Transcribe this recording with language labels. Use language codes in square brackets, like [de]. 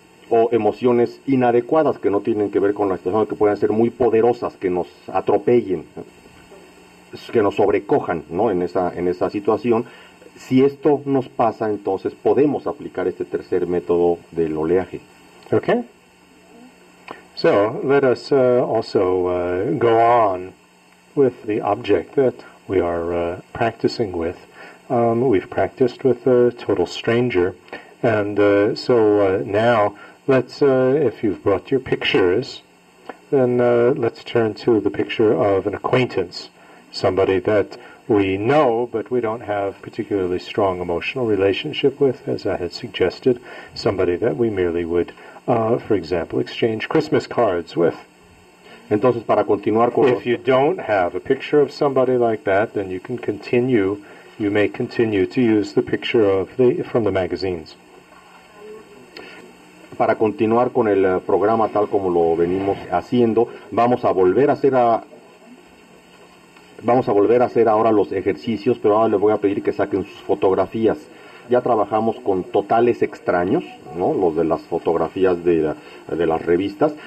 [es] o emociones inadecuadas que no tienen que ver con la situación, que pueden ser muy poderosas, que nos atropellen, que nos sobrecojan, ¿no? en esa situación. Si esto nos pasa, entonces podemos aplicar este tercer método del oleaje. [en] Okay. So let us also go on with the object that we are practicing with. We've practiced with a total stranger. And now let's, if you've brought your pictures, then let's turn to the picture of an acquaintance, somebody that we know but we don't have particularly strong emotional relationship with, as I had suggested, somebody that we merely would for example, exchange Christmas cards with. [es] Entonces, para continuar con... [en] If you don't have a picture of somebody like that, then you can continue, you may continue to use the picture of the from the magazines. [es] Para continuar con el programa tal como lo venimos haciendo, vamos a volver a hacer ahora los ejercicios, pero ahora les voy a pedir que saquen sus fotografías. Ya trabajamos con totales extraños, ¿no? Los de las fotografías de las revistas.